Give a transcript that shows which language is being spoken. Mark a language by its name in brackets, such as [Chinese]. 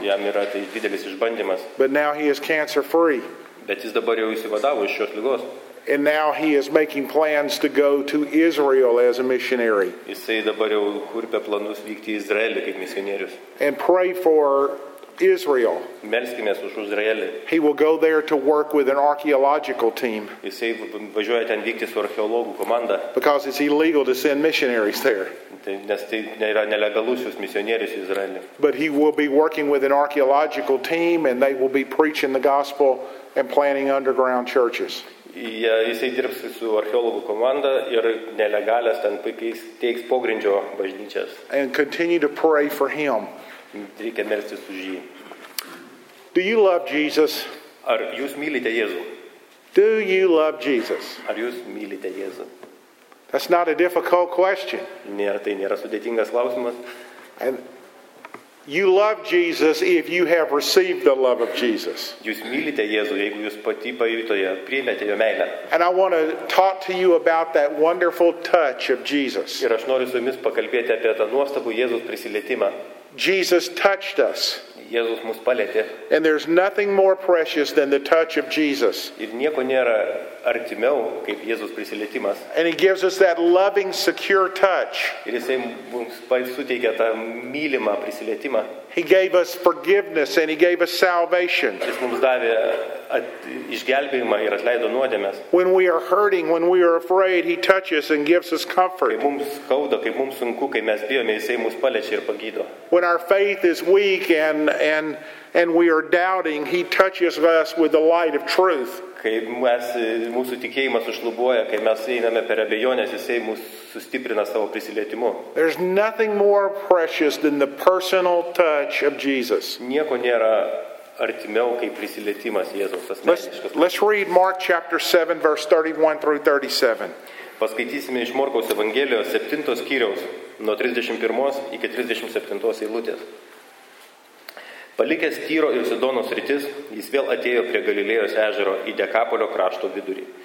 [Lithuanian] Jam yra tai didelis išbandymas. [English] But now he is cancer free. [Lithuanian] Bet jis dabar jau išsivadavo iš šios ligos. [English] And now he is making plans to go to Israel as a missionary. [Lithuanian] Jisai dabar jau kurpia planus vykti į Izraelį kaip misionierius. [English] And pray for Israel. [Lithuanian] Melskimės už Izraelį. [English] He will go there to work with an archaeological team. [Lithuanian] Jisai važiuoja ten vykti su archeologų komanda. [English] Because it's illegal to send missionaries there. [Lithuanian] Nes tai yra nelegalus jūs misionierius į Izraelį. [English] But he will be working with an archaeological team and they will be preaching the gospel and planting underground churches. [Lithuanian] Jisai dirbs su archeologų komanda ir nelegalės ten puikiai teiks pogrindžio bažnyčias. [English] And continue to pray for him. [Lithuanian] Reikia melstis už jį. [English] Do you love Jesus? [Lithuanian] Ar jūs mylite Jėzų? [English] Do you love Jesus? [Lithuanian] Ar jūs mylite Jėzų? [English] That's not a difficult question. [Lithuanian] Nėra, tai nėra sudėtingas klausimas. [English] And you love Jesus if you have received the love of Jesus. [Lithuanian] Jūs mylite Jėzų, jeigu jūs pati pajutote, priėmėte jo meilę. [English] And I want to talk to you about that wonderful touch of Jesus. [Lithuanian] Ir aš noriu su jumis pakalbėti apie tą nuostabų Jėzaus prisilietimą. [English] Jesus touched us. [Lithuanian] Jėzus mus palietė. [English] And there's nothing more precious than the touch of Jesus. [Lithuanian] Ir nieko nėra artimiau kaip Jėzus prisilietimas. [English] And he gives us that loving, secure touch. [Lithuanian] Ir jisai mums suteikia tą mylimą prisilietimą. [English] He gave us forgiveness and he gave us salvation. [Lithuanian] Jis mums davė išgelbėjimą ir atleido nuodėmes. [English] When we are hurting, when we are afraid, he touches and gives us comfort. [Lithuanian] Kai mums skauda, kai mums sunku, kai mes bijome, jisai mus paliečia ir pagydo. [English] When our faith is weak and we are doubting, he touches us with the light of truth. [Lithuanian] Kai mūsų tikėjimas užlubuoja, kai mes einame per abejonės, jisai mus sustiprina savo prisilietimu. [English] There's nothing more precious than the personal touch of Jesus. [Lithuanian] Nieko nėra artimiau kaip prisilietimas Jėzaus asmeniškas. [English] Let's read Mark chapter 7 verse 31 through 37. [Lithuanian] Paskaitysime iš Morkaus Evangelijos 7 skyriaus nuo 31 iki 37 eilutės. Palikęs Tyro ir Sidonos rytis, jis vėl atėjo prie Galilėjos ežero į Dekapolio krašto vidurį.